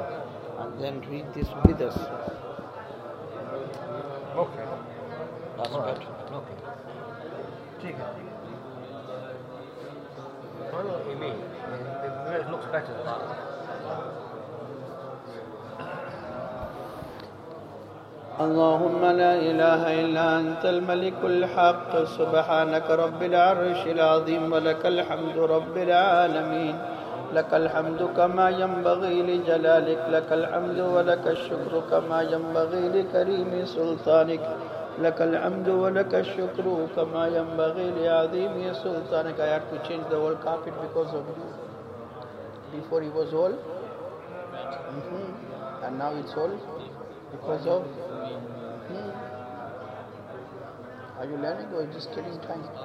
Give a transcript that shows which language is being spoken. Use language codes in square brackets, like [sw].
[en] and then read this with us. Okay. That's all better. Right. Okay. Take it. I don't know what you mean. It looks better than that. [ar] اللهم لا إله إلا أنت الملك الحق سبحانك رب العرش العظيم ولك الحمد رب العالمين لك الحمد كما ينبغي لجلالك لك الحمد ولك الشكر كما ينبغي لكريم سلطانك لك الحمد ولك الشكر كما ينبغي لعظيم سلطانك. [en] I had to change the whole carpet because of you. Before it was all and now it's all because of Are you learning or just killing time?